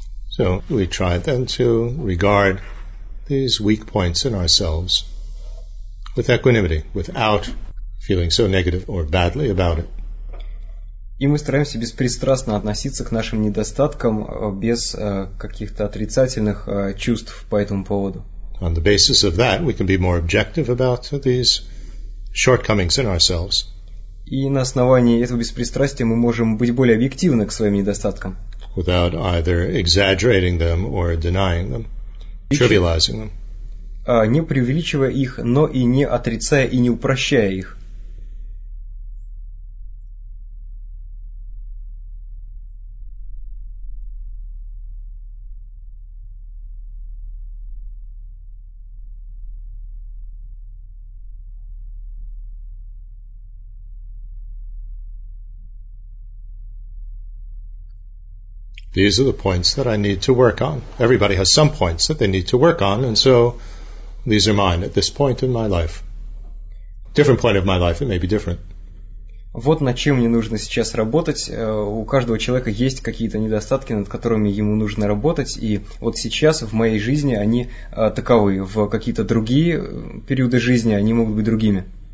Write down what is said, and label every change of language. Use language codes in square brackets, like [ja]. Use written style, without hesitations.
[en] So we try then to regard these weak points in ourselves with equanimity, without feeling so negative or badly about it. [ru] И мы стараемся беспристрастно относиться к нашим недостаткам без каких-то отрицательных чувств по этому поводу. [en] On the basis of that, we can be more objective about these shortcomings in ourselves. [ru] И на основании этого беспристрастия мы можем быть более объективны к своим недостаткам. [en] Without either exaggerating them or denying them, trivializing them. [ru] Не преувеличивая их, но и не отрицая и не упрощая их. [en] These are the points that I need to work on. Everybody has some points that they need to work on, and so these are mine at this point in my life. Different point of my life, it may be different. [ru] Вот над чем мне нужно сейчас работать. У каждого человека есть какие-то недостатки, над которыми ему нужно работать, и вот сейчас в моей жизни они таковы. В какие-то другие периоды жизни они могут быть другими.